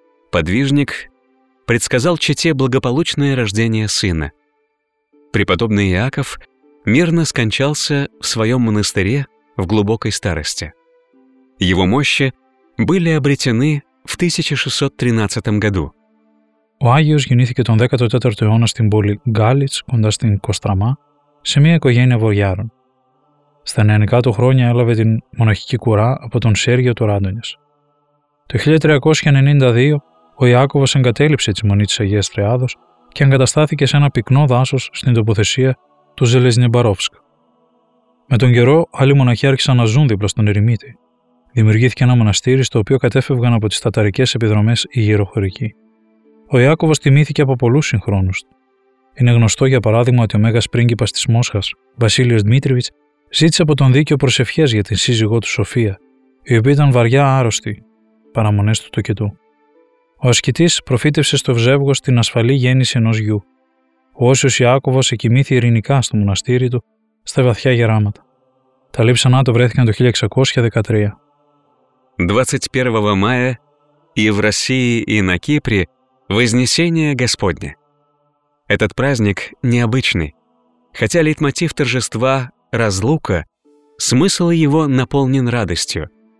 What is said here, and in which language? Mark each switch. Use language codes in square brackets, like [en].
[ru] Подвижник предсказал чете благополучное рождение сына. Преподобный Иаков мирно скончался в своем монастыре в глубокой старости. Его мощи были обретены в 1613 году. [el] Ο Άγιος γεννήθηκε τον 14ο αιώνα στην πόλη Γκάλιτς, κοντά στην Κοστραμά, σε μια οικογένεια βοριάρων. Στα νεανικά του χρόνια έλαβε την μοναχική κουρά από τον Σέργιο του Ράντονιος. Το 1392 ο Ιάκωβος εγκατέλειψε τη μονή της Αγίας Τριάδος και εγκαταστάθηκε σε ένα πυκνό δάσος στην τοποθεσία του Ζελεζνιμπαρόφσκ. Με τον καιρό, άλλοι μοναχοί άρχισαν να ζουν δίπλα στον ερημίτη. Δημιουργήθηκε ένα μοναστήρι στο οποίο κατέφευγαν από τις τατρικές επιδρομές οι γυροχωρικοί. Ο Ιάκωβος τιμήθηκε από πολλούς συγχρόνους του. Είναι γνωστό, για παράδειγμα, ότι ο μέγας πρίγκιπας της Μόσχας, Βασίλειος Δημήτριβιτς, ζήτησε από τον δίκαιο προσευχές για την σύζυγό του Σοφία, η οποία ήταν βαριά άρρωστη, παραμονές του τοκετού. Ο ασκητής προφήτευσε στο ζεύγος την ασφαλή γέννηση ενός γιου. Ο Όσιος Ιάκωβος εκοιμήθη ειρηνικά στο μοναστήρι του, στα βαθιά γεράματα. Τα λείψανά του βρέθηκαν το 1613. [ru] 21 мая и в России, и на Кипре Вознесение Господне. Этот праздник необычный. Хотя лейтмотив торжества — разлука, смысл его наполнен радостью.